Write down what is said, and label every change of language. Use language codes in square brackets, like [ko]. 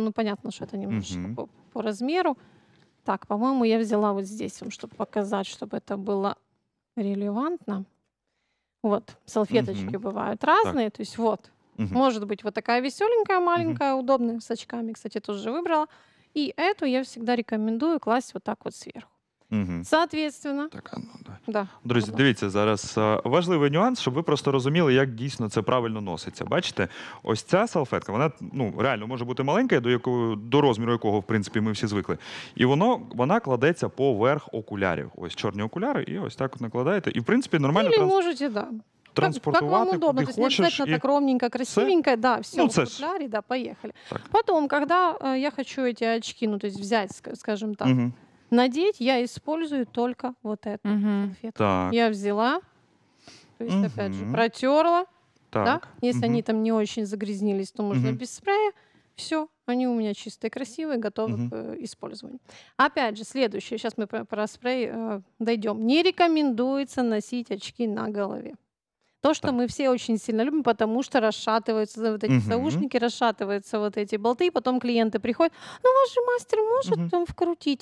[ru] Ну, понятно, что это немножко по размеру. Так, по-моему, я взяла вот здесь, чтобы показать, чтобы это было релевантно. Вот, салфеточки бывают разные. Так. То есть вот. Может быть, вот такая веселенькая, маленькая, удобная, с очками, кстати, тоже выбрала. И эту я всегда рекомендую класть вот так вот сверху. Соответственно. Так, ну, да. Да. [uk] Друзі, дивіться, зараз важливий нюанс, щоб ви просто розуміли, як дійсно це правильно носиться. Бачите, ось ця салфетка, вона ну, реально може бути маленька, до розміру якого, в принципі, ми всі звикли. І вона кладеться поверх окулярів. Ось чорні окуляри, і ось так от накладаєте. І, в принципі, нормально можете, так. Да. Транспортувати, куди хочеш. [ru] Так вам удобно, [uk] тобто не обов'язково так ровненько, красивенько, да, все, ну, в окулярі, да, поїхали. Потім, коли я хочу ці очки, ну, тобто взяти, скажімо так, надіть, [ru] я использую [uk] тільки [ru] вот эту салфетку. [uk] Так. Я взяла, тобто, [ru] опять же, [uk] протерла, так. Да? [ru] Если они там не очень загрязнились, то можно без спрея. Все, они у меня чистые, красивые, готовы к использованию. Опять же, следующее, сейчас мы про спрей дойдем. Не рекомендуется носить очки на голове. То, что мы все очень сильно любим, потому что расшатываются вот эти наушники, расшатываются вот эти болты, и потом клиенты приходят, ну, ваш же мастер может там вкрутить?